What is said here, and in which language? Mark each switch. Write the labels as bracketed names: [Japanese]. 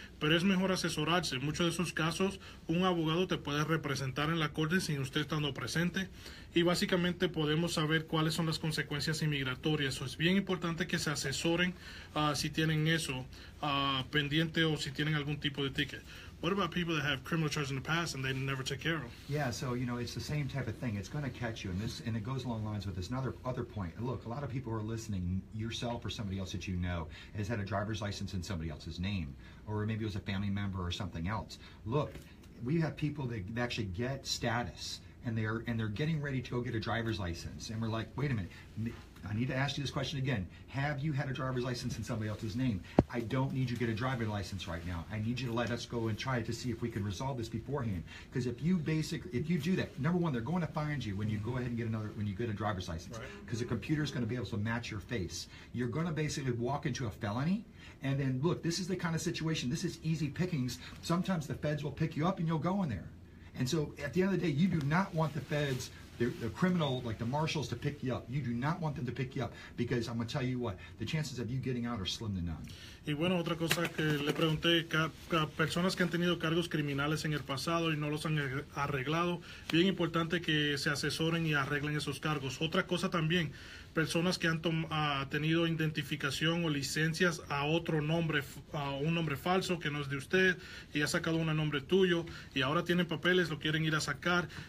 [Spanish] Pero es mejor asesorarse. En muchos de esos casos, un abogado te puede representar en la corte sin usted estando presente, y básicamente podemos saber cuáles son las consecuencias inmigratorias. Eso es bien importante que se asesoren si tienen eso pendiente o si tienen algún tipo de ticket. [English] What about people that have criminal charges in the past and they never took care of them? Yeah, so, you know, it's the same type of thing. It's going to catch you, and this, and it goes along the lines with this. Another other point, look, a lot of people who are listening, yourself or somebody else that you know, has had a driver's license in somebody else's name, or maybe it was a family member or something else. Look, we have people that actually get status, and they're getting ready to go get a driver's license, and we're like, wait a minute, I need to ask you this question again. Have you had a driver's license in somebody else's name? I don't need you to get a driver's license right now. I need you to let us go and try to see if we can resolve this beforehand. Because if you do that, number one, they're going to find you when you go ahead and get another, when you get a driver's license. Because right. The computer is going to be able to match your face. You're going to basically walk into a felony. And then look, this is the kind of situation, this is easy pickings. Sometimes the feds will pick you up and you'll go in there. And so at the end of the day, you do not want the feds, the criminal, like the marshals, to pick you up. You do not want them to pick you up because I'm going to tell you what, the chances of you getting out are slim to none. [Spanish] Y bueno, otra cosa que le pregunté, a personas que han tenido cargos criminales en el pasado y no los han arreglado, bien importante que se asesoren y arreglen esos cargos. Otra cosa también, personas que han tenido identificación o licencias a otro nombre, a un nombre falso que no es de usted y ha sacado un nombre tuyo y ahora tienen papeles, lo quieren ir a sacar.